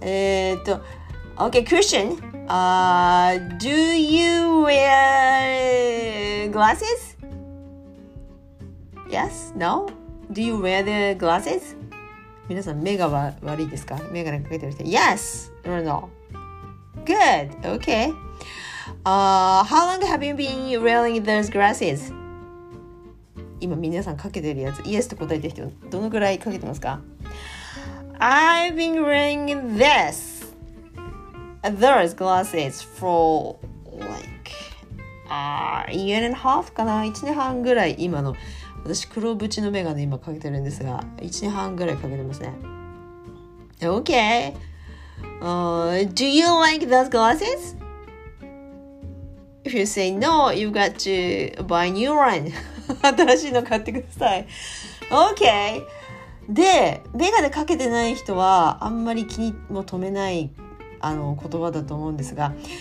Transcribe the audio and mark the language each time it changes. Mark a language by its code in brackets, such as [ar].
[en] OK, Christian,、do you wear glasses? Yes? No? Do you wear the glasses? [ja] 皆さん目が悪いですか？眼鏡かけてる人。 [en] Yes or no? Good! Okay.、how long have you been wearing those glasses? [ja] 今皆さんかけてるやつ、Yes と答えてる人、どのくらいかけてますか？ [en] I've been wearing this. Those glasses for like a year and a half [ja] かな？ 1 年半ぐらい今の。私黒縁のメガネ今かけてるんですが、1年半ぐらいかけてますね。 [en] OK、Do you like those glasses? If you say no, you've got to buy a new one. [ja] 新しいの買ってください。 [en] OK、 [ja] でメガネかけてない人はあんまり気にも留めないあの言葉だと思うんですが、